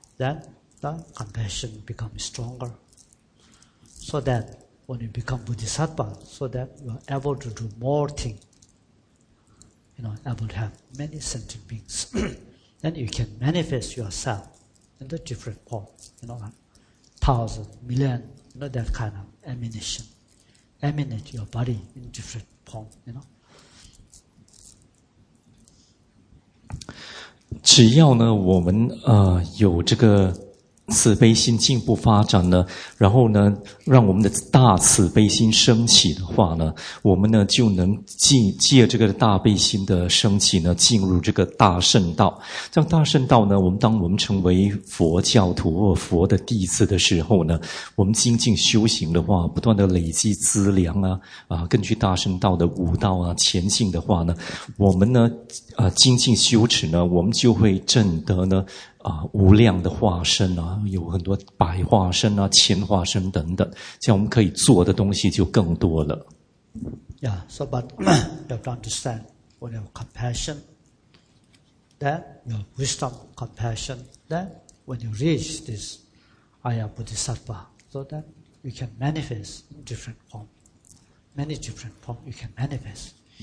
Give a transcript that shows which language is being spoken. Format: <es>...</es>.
<en>Then the compassion becomes stronger. So that when you become Bodhisattva, so that you are able to do more things, you know, able to have many sentient beings. Then you can manifest yourself in the different form, you know, 1,000, 1,000,000, you know, that kind of emanation. Emanate your body in different form, you know.</en> <zh>只要呢，我们有这个慈悲心进步发展呢，然后呢，让我们的大慈悲心升起的话呢，我们呢就能借这个大悲心的升起呢，进入这个大圣道。这样大圣道呢，当我们成为佛教徒或佛的弟子的时候呢，我们精进修行的话，不断的累积资粮根据大圣道的五道前进的话呢，我们呢精进修持呢，我们就会证得呢。无量的化身有很多百化身千化身等等，这样我们可以做的东西就更多了。</zh> <en>Yeah, so but you have to understand, when you have compassion, then you have wisdom, compassion, then when you reach this Aya Bodhisattva, so that you can manifest in different form, many different form you can manifest.</en>